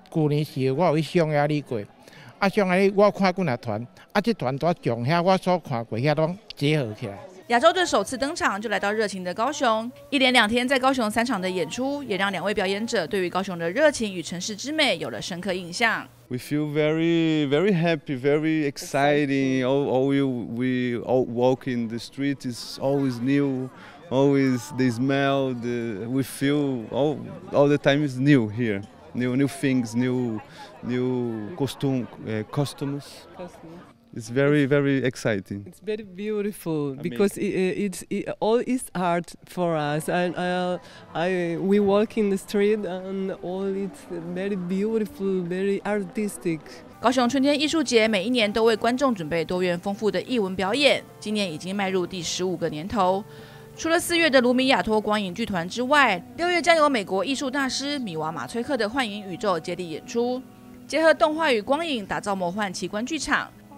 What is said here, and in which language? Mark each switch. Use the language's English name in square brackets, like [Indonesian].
[Chinese] 去年时我有去匈牙利过，匈牙利我看几个团，这团都从遐我所看过遐拢结合起来。亚洲队首次登场就来到热情的高雄，一连两天在高雄三场的演出，也让两位表演者对于高雄的热情与城市之美有了深刻印象。 [English] We feel very, very happy, very exciting. All we walk in the street is always new, always the smell. We feel all the time is new here, new things, new costumes. It's very, very exciting. It's very beautiful because it's all is art for us. And we walk in the street and all it's very beautiful, very artistic. [Chinese] 高雄春天艺术节每一年都为观众准备多元丰富的艺文表演，今年已经迈入第15个年头。除了4月的卢米亚托光影剧团之外，6月将由美国艺术大师米瓦马崔克的幻影宇宙接力演出，结合动画与光影打造魔幻奇观剧场。